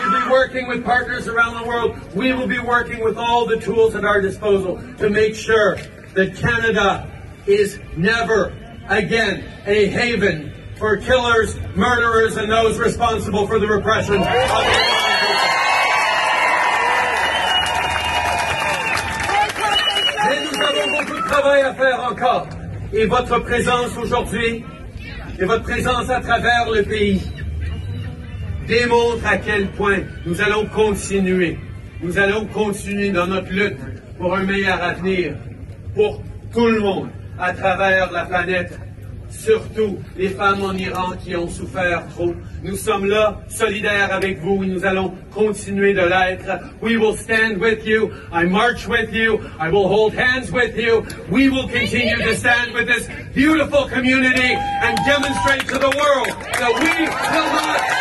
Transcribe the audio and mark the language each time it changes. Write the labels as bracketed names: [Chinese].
[English] Working with partners around the world, we will be working with all the tools at our disposal to make sure that Canada is never again a haven for killers, murderers, and those responsible for the repression of the Iranian people. [French] Et votre présence aujourd'hui, et votre présence à travers le pays. Démontre à quel point nous allons continuer dans notre lutte pour un meilleur avenir pour tout le monde à travers la planète, surtout les femmes en Iran qui ont souffert trop. Nous sommes là, solidaires avec vous, et nous allons continuer de l'être. [English] We will stand with you, I march with you, I will hold hands with you. We will continue to stand with this beautiful community and demonstrate to the world that we will not